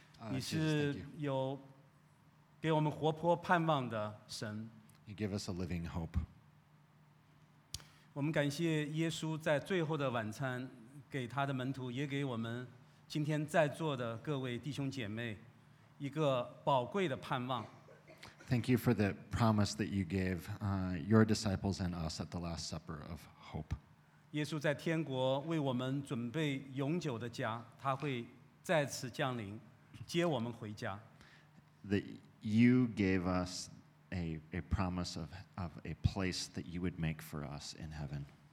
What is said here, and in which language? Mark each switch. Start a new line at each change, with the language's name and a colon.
Chinese: 你是有给我们活泼盼望的神。
English: You give us a living hope.
Chinese: 我们感谢耶稣在最后的晚餐, 给他的门徒, 也给我们今天在座的各位弟兄姐妹, 一个宝贵的盼望。
English: Thank you for the promise that you gave your disciples and us at the Last Supper of hope.
Chinese: 耶稣在天国为我们准备永久的家, 祂会再次降临接我们回家。
English: That you gave us a promise of a place that you would make for us in heaven.